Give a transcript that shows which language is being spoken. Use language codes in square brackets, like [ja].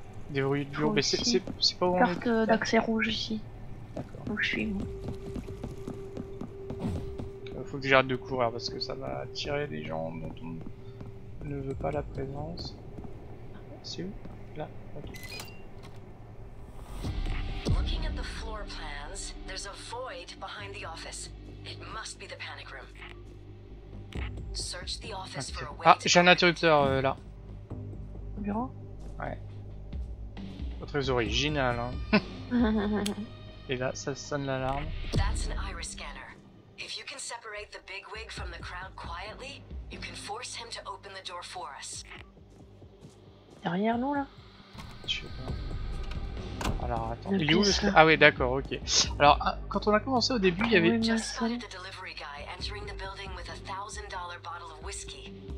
[fr] Déverrouillé de bureau, mais c'est pas où on est. Carte d'accès rouge ici. D'accord. Où je suis, moi. Faut que j'arrête de courir parce que ça va attirer des gens dont on ne veut pas la présence. C'est où? Là. Ok. [en] Looking at the floor plans, there's a void behind the office. It must be the panic room. Search the office for a way. [fr] Ah, j'ai un interrupteur là. Bureau? Ouais. Pas très original, hein. Et là, ça sonne l'alarme. [en] That's an iris scanner. If you can separate the bigwig from the crowd quietly, you can force him to open the door for us. [fr] Derrière nous là? Je sais pas. Alors attends, il est où le scanner? Ah oui, d'accord, ok. Alors quand on a commencé au début, il y avait [en] just spotted a delivery guy entering the building with a $1000 bottle of whiskey.